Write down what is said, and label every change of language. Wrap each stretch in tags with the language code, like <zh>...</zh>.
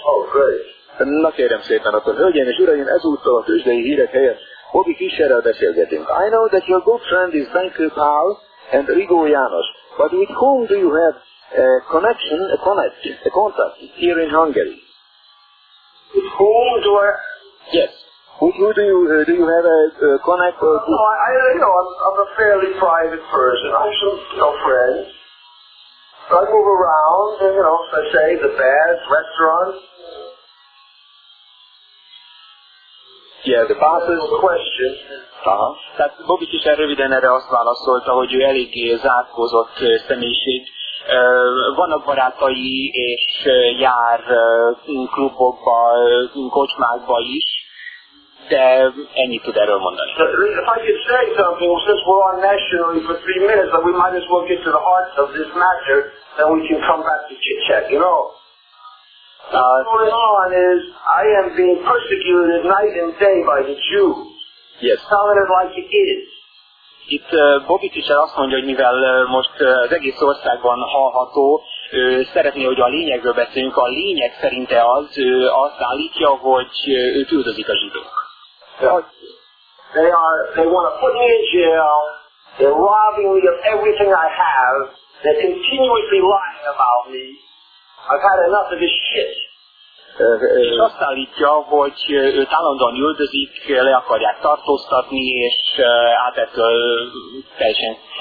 <en>Oh, great.</en> <hu>Na kérem szépen, akkor hölgyeim és uraim, ezúttal a tőzsdei hírek helyett Bobby Fischerrel beszélgetünk.</hu> <en>I know that your good friend is Benkő Pál and Rigó János, but with whom do you have a contact here in Hungary? With whom do I... Yes. Who do you have a connect? I'm a fairly private person. I have no friends. So I move around, and, you know, as I say, the bars, restaurants. Yeah, the bars. No question.</en> <hu>Tehát Bobby Fischer röviden erre azt válaszolta, hogy ő eléggé zárkózott személyiség. Vannak barátai, és jár klubokba, kocsmákba is.</hu> <en>If I could say something, since we're on nationally for 3 minutes, that we might as well get to the heart of this matter, then we can come back to chit-chat, you know? What's going on is, I am being persecuted night and day by the Jews. Yes. Tell it like it is.</en> <hu>Itt Bobby Fischer azt mondja, hogy mivel most az egész országban hallható, szeretné, hogy a lényegről beszéljünk. A lényeg szerinte az, azt állítja, hogy őt üldözik a zsidók.</hu> <en>They want to put me in jail, they're robbing me of everything I have, they're continuously lying about me, I've had enough of this shit.</en> <hu>És azt állítja, hogy őt állandóan üldözik, le akarják tartóztatni, és hát ettől teljesen</hu>